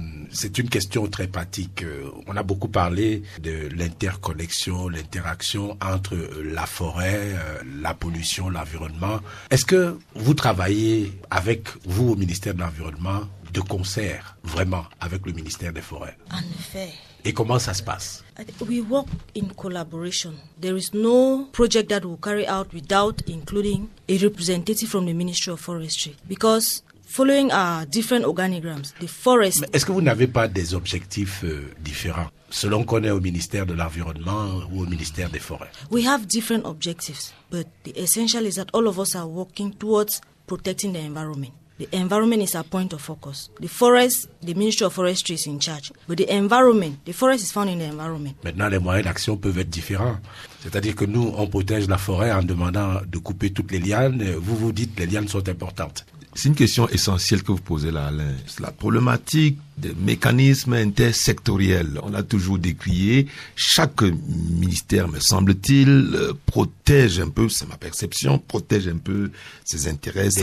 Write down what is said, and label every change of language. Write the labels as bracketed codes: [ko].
[fr] C'est une question très pratique. On a beaucoup parlé de l'interconnexion, l'interaction entre la forêt, la pollution, l'environnement. Est-ce que vous travaillez avec vous au ministère de l'Environnement de concert, vraiment, avec le ministère des Forêts? En effet. Et comment ça se passe? [en] We work in collaboration. There is no project that we carry out without including a representative from the Ministry of Forestry. Because following our different organigrams, the forest... [fr] Mais est-ce que vous n'avez pas des objectifs différents selon qu'on est au ministère de l'Environnement ou au ministère des Forêts? [en] We have different objectives, but the essential is that all of us are working towards protecting the environment. The environment is our point of focus. The forest, the Ministry of Forestry is in charge. But the environment, the forest is found in the environment. [fr] Maintenant, les moyens d'action peuvent être différents. C'est-à-dire que nous, on protège la forêt en demandant de couper toutes les lianes. Vous vous dites que les lianes sont importantes. C'est une question essentielle que vous posez là, Alain. C'est la problématique des mécanismes intersectoriels. On l'a toujours décrié. Chaque ministère, me semble-t-il, protège un peu, c'est ma perception, protège un peu ses intérêts.